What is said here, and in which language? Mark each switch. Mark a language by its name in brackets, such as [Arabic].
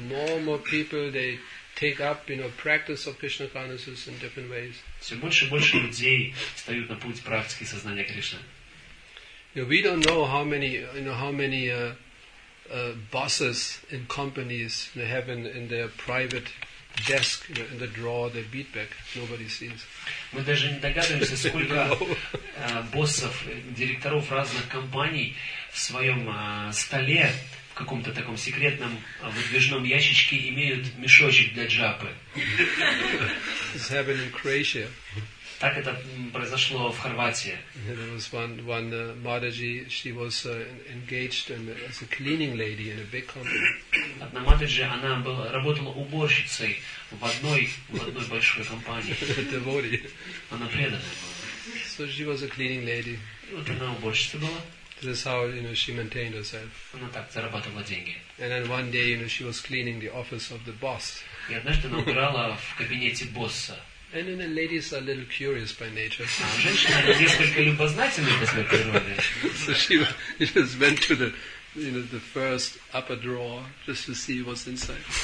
[English] More people they take up, you know, practice of Krishna consciousness in different ways. [Russian] Все больше и больше людей встают на путь практики сознания Кришны. [English] You know, we don't know how many, you know, how many bosses in companies they have in their private desk, you know, in the drawer, their beat bag. Nobody sees. [Russian] Мы даже не догадываемся, сколько боссов, директоров разных компаний в своем столе, в каком-то таком секретном выдвижном ящичке имеют мешочек для джапы. [English] It's happened in Croatia. [Russian] Так это произошло в Хорватии. [English] There was one Madhaji, she was engaged in, as a cleaning lady in a big company. [Russian] Одна Мадхаджи, она была, работала уборщицей в одной большой компании. [English] Devotee. [Russian] Она преданная. [English] So she was a cleaning lady. [Russian] Вот она уборщица была. [English] This is how, you know, she maintained herself. [Russian] Она так зарабатывала деньги. [English] And then one day, you know, she was cleaning the office of the boss. [Russian] И однажды она убирала в кабинете босса. [English] And then the ladies are a little curious by nature. So she just went to the, you know, the first upper drawer just to see what's inside.